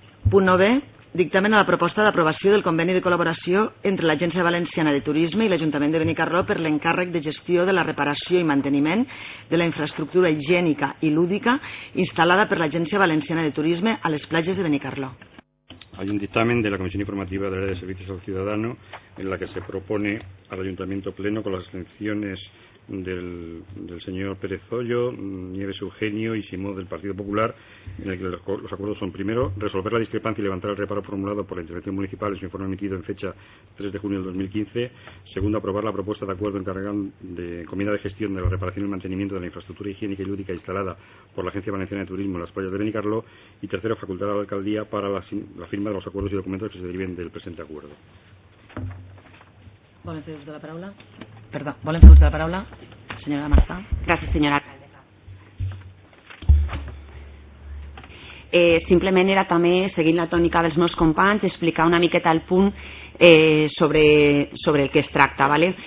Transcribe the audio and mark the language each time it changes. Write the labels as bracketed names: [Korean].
[Catalan] Punt 9b. Dictamen a la proposta d'aprovació del conveni de col·laboració entre l'Agència Valenciana de Turisme i l'Ajuntament de Benicarló per l'encàrrec de gestió de la reparació i manteniment de la infraestructura higiènica i lúdica instal·lada per l'Agència Valenciana de Turisme a les platges de Benicarló. [Spanish] Hay un dictamen de la Comisión Informativa del Área de Servicios al Ciudadano en la que se propone al Ayuntamiento Pleno, con las abstenciones del señor Pérez Hoyo, Nieves Eugenio y Simón del Partido Popular, en el que los acuerdos son, primero, resolver la discrepancia y levantar el reparo formulado por la Intervención Municipal en su informe emitido en fecha 3 de junio del 2015, segundo, aprobar la propuesta de acuerdo encargado de encomienda de gestión de la reparación y mantenimiento de la infraestructura higiénica y lúdica instalada por la Agencia Valenciana de Turismo en las playas de Benicarló, y tercero, facultar a la Alcaldía para la firma de los acuerdos y documentos que se deriven del presente acuerdo. [Catalan] Volen fer ús de la paraula? Perdó, volen fer ús de la paraula? Senyora Marta. Gràcies, senyora alcaldessa. Simplement era també, seguint la tònica dels meus companys, explicar una miqueta el punt sobre el que es tracta. ¿Vale?